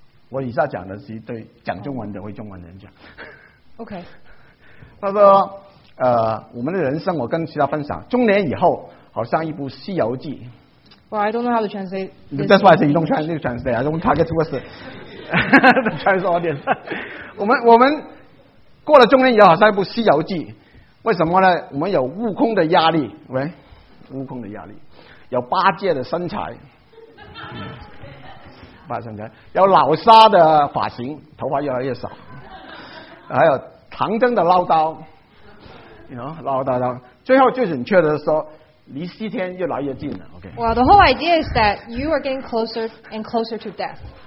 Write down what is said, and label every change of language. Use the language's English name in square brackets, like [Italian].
[Chinese] 我以下讲的是对讲中文的会中文的人讲。 [English] Okay. [Chinese] 他说我们的人生我跟其他分享中年以后好像一部西游记 [English] Well, I don't know how to translate this. That's why I say you don't try to translate. I don't target towards the Chinese audience. [Chinese] 我们过了中年以后好像一部西游记，为什么呢？我们有悟空的压力，喂，悟空的压力，有八戒的身材，八戒身材，有老沙的发型，头发越来越少，还有唐僧的唠叨， [English] you know, [Chinese] 唠叨叨，最后最准确的是说，离西天越来越近了。 [English] OK。 Well, the whole idea is that you are getting closer and closer to death.